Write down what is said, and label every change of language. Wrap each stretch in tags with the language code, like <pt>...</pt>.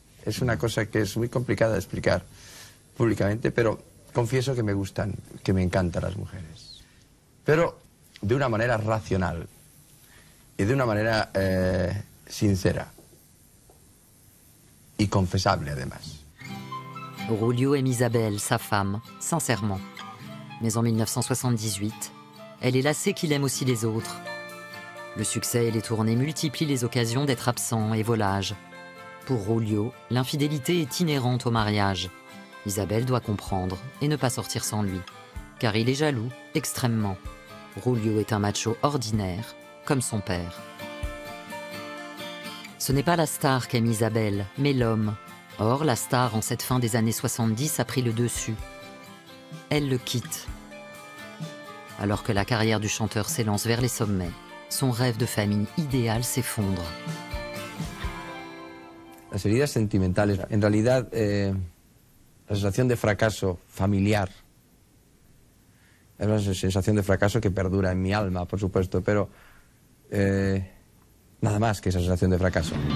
<es>Es una cosa que es muy complicada de explicar públicamente, pero confieso que me gustan, que me encantan las mujeres. Pero de una manera racional y de una manera sincera y confesable, además.</es> <fr>Rulio aime Isabelle, sa femme, sincèrement. Mais en 1978, elle est lassée qu'il aime aussi les autres. Le succès et les tournées multiplient les occasions d'être absent et volage. Pour Rulio, l'infidélité est inhérente au mariage. Isabelle doit comprendre et ne pas sortir sans lui, car il est jaloux, extrêmement. Rulio est un macho ordinaire, comme son père. Ce n'est pas la star qu'aime Isabelle, mais l'homme. Or, la star, en cette fin des années 70, a pris le dessus. Elle le quitte. Alors que la carrière du chanteur s'élance vers les sommets, son rêve de famille idéale s'effondre.</fr> <es>Las heridas sentimentales, en realidad, la sensación de fracaso familiar es una sensación de fracaso que perdura en mi alma, por supuesto, pero nada más que esa sensación de fracaso.</es>